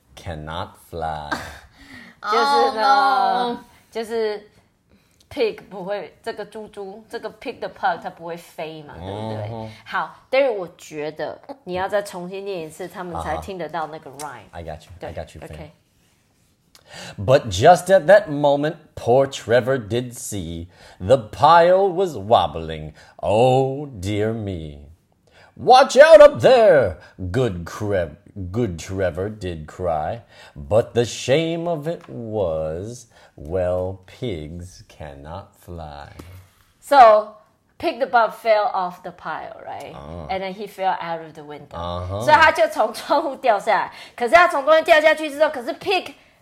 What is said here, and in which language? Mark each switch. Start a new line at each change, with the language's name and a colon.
English: cannot fly.
Chinese: 就是呢、就是 pig 不会，这个猪猪，这个 pig the pug 它不会飞嘛，对不对？好，但是我觉得你要再重新念一次，他们才听得到那个 rhyme.
English: I got you. I got you. Okay. But just at that moment, poor Trevor did see the pile was wobbling. Oh, dear me. Watch out up there, good Trevor did cry. But the shame of it was, well, pigs cannot fly. So, Pig the Pug fell off the pile, right?、And then he fell out of the window.
Chinese: 所以他就从窗户掉下来。可是他从窗户掉下去之后，可是 Pig...